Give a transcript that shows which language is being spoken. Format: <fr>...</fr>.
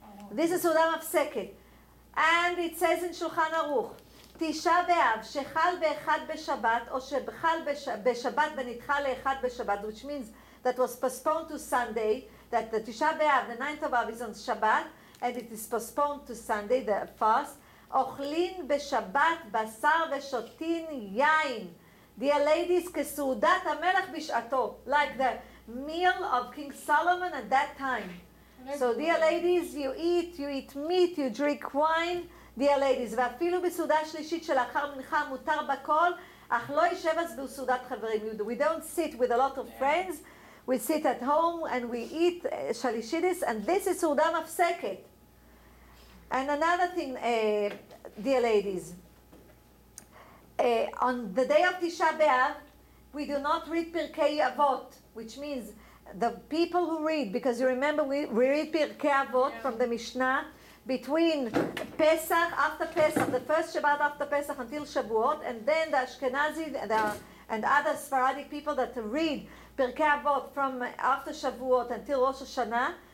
<en>This is Suda Mafseket. And it says in Shulchan Aruch, Tisha B'Av,</en> <he>Shechal Be'echad B'Shabbat,</he> <en>or</en> <he>Shechal B'Shabbat Benitcha Le'echad B'Shabbat,</he> <en>which means that was postponed to Sunday, that the Tisha B'Av, the ninth of Av, is on Shabbat, and it is postponed to Sunday, the fast.</en> <he>Ochlin B'Shabbat Basar V'Shotin Yain.</he> <en>Dear ladies,</en> <he>kesudat ha-melech bishato,</he> <en>like the meal of King Solomon at that time. So dear ladies, you eat meat, you drink wine. Dear ladies,</en> <he>ואפילו בסעודה שלישית שלאחר מנחה מותר בכל, אך לא יישב אז בסעודת חברים.</he> <en>We don't sit with a lot of friends. We sit at home and we eat shalishidis, and this is סעודה מפסקת. And another thing, dear ladies, on the day of Tisha B'Av, we do not read Pirkei Avot, which means the people who read, because you remember we read Pirkei Avot from the Mishnah, between Pesach, after Pesach, the first Shabbat after Pesach until Shavuot, and then the Ashkenazi and other Sephardic people that read Pirkei Avot from after Shavuot until Rosh Hashanah.</en>